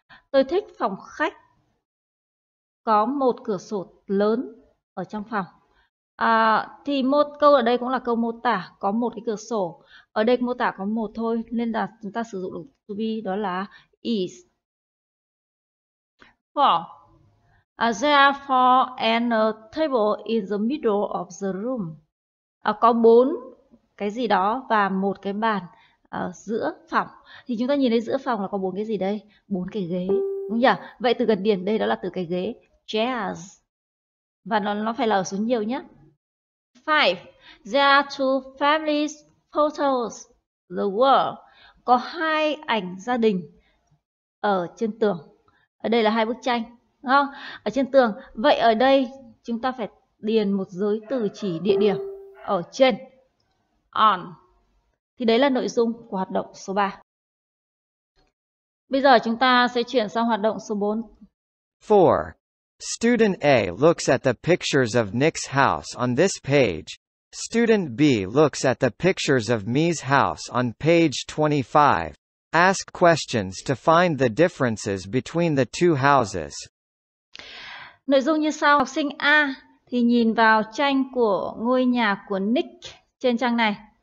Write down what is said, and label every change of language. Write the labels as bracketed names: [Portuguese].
[Vietnamese] Tôi thích phòng khách. Có một cửa sổ lớn ở trong phòng. Thì một câu ở đây cũng là câu mô tả có một cái cửa sổ. Ở đây mô tả có một thôi nên là chúng ta sử dụng được to be đó là is. [English] Four. There are 4 and a table in the middle of the room. [Vietnamese] Có 4 cái gì đó và một cái bàn giữa phòng. Thì chúng ta nhìn thấy giữa phòng là có 4 cái gì đây? 4 cái ghế, đúng nhỉ? Vậy từ gần điền đây đó là từ cái ghế chairs. Và nó phải là ở số nhiều nhé. 5. [English] There are 2 family photos the wall. [Vietnamese] Có 2 ảnh gia đình ở trên tường. Ở đây là 2 bức tranh, đúng không? Ở trên tường. Vậy ở đây chúng ta phải điền một giới từ chỉ địa điểm ở trên, on. Thì đấy là nội dung của hoạt động số 3. Bây giờ chúng ta sẽ chuyển sang hoạt động số 4. 4. [English] Student A looks at the pictures of Nick's house on this page. Student B looks at the pictures of Mi's house on page 25. Ask questions to find the differences between the two houses. [Vietnamese] Nội dung như sau. Học sinh A thì nhìn vào tranh của ngôi nhà của Nick trên trang này.